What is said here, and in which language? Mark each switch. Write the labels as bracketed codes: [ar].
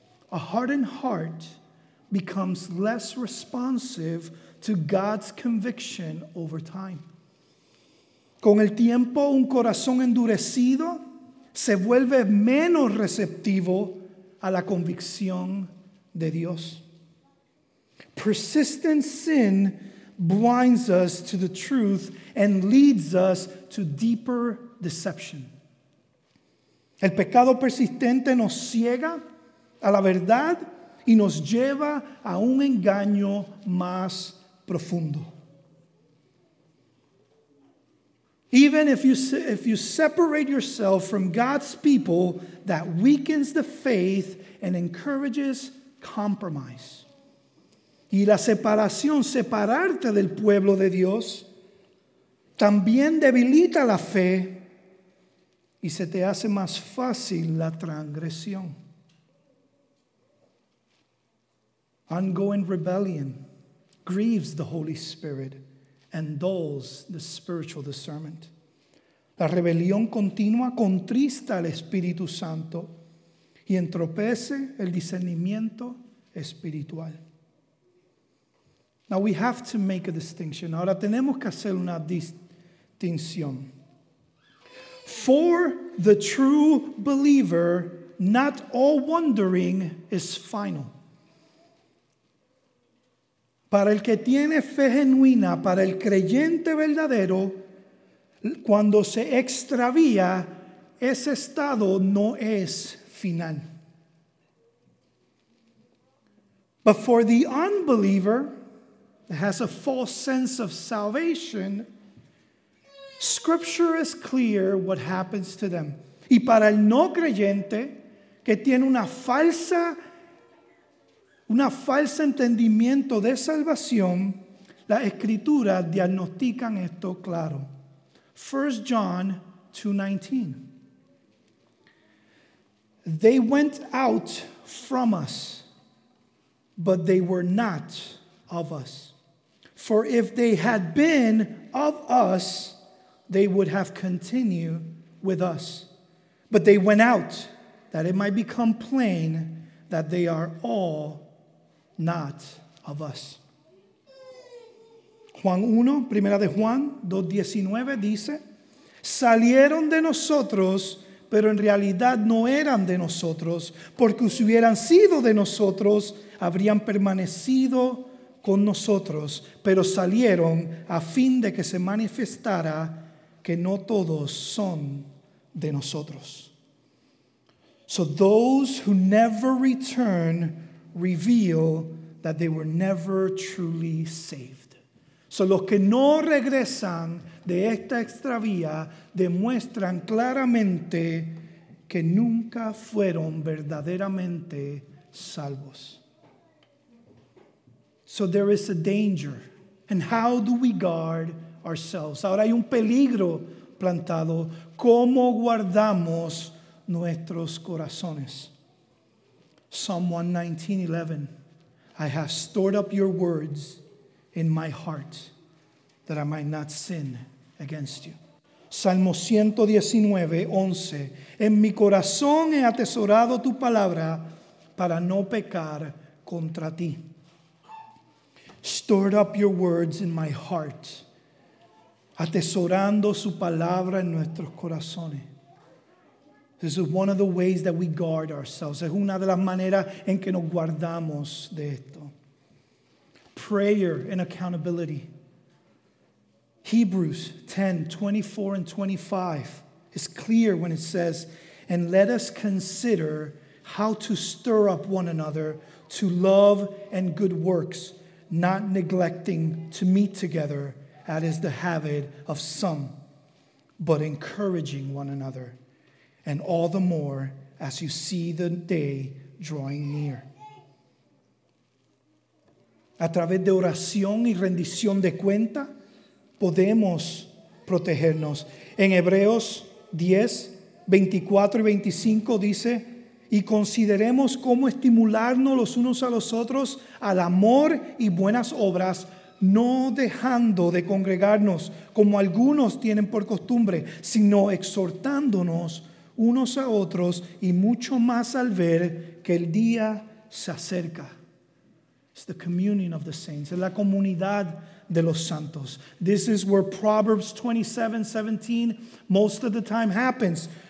[en] A hardened heart becomes less responsive to God's conviction over time. [es] Con el tiempo, un corazón endurecido se vuelve menos receptivo a la convicción de Dios. [en] Persistent sin blinds us to the truth and leads us to deeper deception. [es] El pecado persistente nos ciega a la verdad y nos lleva a un engaño más profundo. [en] Even if you separate yourself from God's people, that weakens the faith and encourages compromise. [es] Y la separación, separarte del pueblo de Dios, también debilita la fe y se te hace más fácil la transgresión. [en] Ongoing rebellion grieves the Holy Spirit and dulls the spiritual discernment. [es] La rebelión continua contrista al Espíritu Santo y entorpece el discernimiento espiritual. [en] Now we have to make a distinction. [es] Ahora tenemos que hacer una distinción. [en] For the true believer, not all wandering is final. [es] Para el que tiene fe genuina, para el creyente verdadero, cuando se extravía, ese estado no es final. [en] But for the unbeliever that has a false sense of salvation, Scripture is clear what happens to them. [es] Y para el no creyente que tiene una falsa entendimiento de salvación, la Escritura diagnostica esto claro. [en] 1 John 2:19. They went out from us, but they were not of us. For if they had been of us, they would have continued with us. But they went out, that it might become plain that they are all not of us. [es] Juan 1, primera de Juan 2:19 dice, salieron de nosotros, pero en realidad no eran de nosotros, porque si hubieran sido de nosotros, habrían permanecido con nosotros, pero salieron a fin de que se manifestara que no todos son de nosotros. [en] So those who never return reveal that they were never truly saved. [es] So los que no regresan de esta extravía demuestran claramente que nunca fueron verdaderamente salvos. [en] So there is a danger. And how do we guard ourselves? [es] Ahora hay un peligro plantado. ¿Cómo guardamos nuestros corazones? [en] Psalm 119:11. I have stored up your words in my heart that I might not sin against you. [es] Salmo 119:11. En mi corazón he atesorado tu palabra para no pecar contra ti. [en] Stored up your words in my heart. [es] Atesorando su palabra en nuestros corazones. [en] This is one of the ways that we guard ourselves. [es] Es una de las maneras en que nos guardamos de esto. [en] Prayer and accountability. Hebrews 10:24-25 is clear when it says, and let us consider how to stir up one another to love and good works, not neglecting to meet together, as is the habit of some, but encouraging one another, and all the more as you see the day drawing near. [es] A través de oración y rendición de cuenta, podemos protegernos. En Hebreos 10:24-25 dice, y consideremos cómo estimularnos los unos a los otros al amor y buenas obras, no dejando de congregarnos como algunos tienen por costumbre, sino exhortándonos unos a otros y mucho más al ver que el día se acerca. [en] It's the communion of the saints. [es] Es la comunidad de los santos. [en] This is where Proverbs 27:17 most of the time happens.